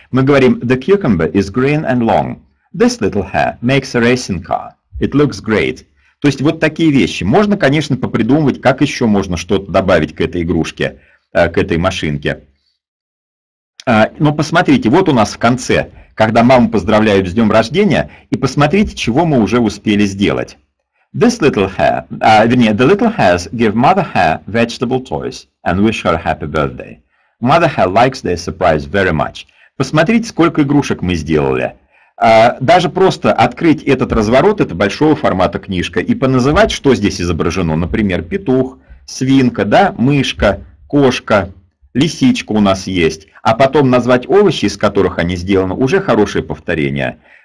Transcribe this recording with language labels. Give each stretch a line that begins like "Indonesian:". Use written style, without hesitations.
Russian: Мы говорим,
English: the cucumber is green and long. This little hare makes a racing car. It looks great.
Russian: То есть вот такие вещи. Можно, конечно, попридумывать, как еще можно что-то добавить к этой игрушке, к этой машинке. Но посмотрите, вот у нас в конце, когда маму поздравляют с днем рождения, и посмотрите, чего мы уже успели сделать.
English: This little hare, the little hares give mother hare vegetable toys and wish her a happy birthday. Mother hare likes their surprise very much.
Russian: Посмотрите, сколько игрушек мы сделали. Даже просто открыть этот разворот, это большого формата книжка, и поназывать, что здесь изображено, например, петух, свинка, да, мышка, кошка, лисичка у нас есть, а потом назвать овощи, из которых они сделаны, уже хорошее повторение.